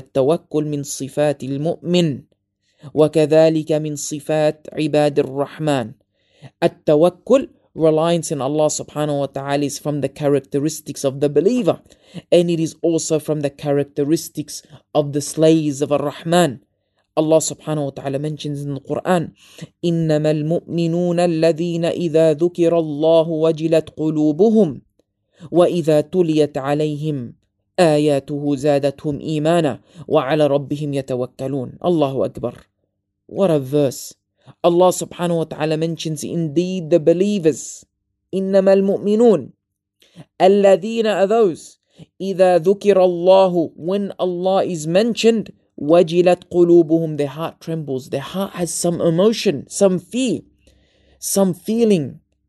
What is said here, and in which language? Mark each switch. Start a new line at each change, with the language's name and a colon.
Arabic: فَالتَّوَكُّلْ مِنْ صِفَاتِ الْمُؤْمِنِ وَكَذَلِكَ مِنْ صِفَاتِ عِبَادِ الرَّحْمَنِ.
English: التوكل, reliance in Allah subhanahu wa ta'ala, is from the characteristics of the believer. And it is also from the characteristics of the slaves of Ar-Rahman.
Arabic: Allah subhanahu wa ta'ala mentions in the Quran, إِنَّمَا الْمُؤْمِنُونَ الَّذِينَ إِذَا ذُكِرَ اللَّهُ وَجِلَتْ قُلُوبُهُمْ وَإِذَا تُلِيَتْ عَلَيْهِمْ آيَاتُهُ زَادَتْهُمْ إِيمَانًا وَعَلَى رَبِّهِمْ يَتَوَكَّلُونَ.
English: Allahu Akbar. What a verse. Allah subhanahu wa ta'ala mentions, indeed the believers, إِنَّمَا الْمُؤْمِنُونَ الَّذِينَ are those, إِذَا ذُكِرَ اللَّهُ, when Allah is mentioned, وَجِلَتْ قُلُوبُهُمْ, their heart trembles, their heart has some emotion, some fear, some feeling.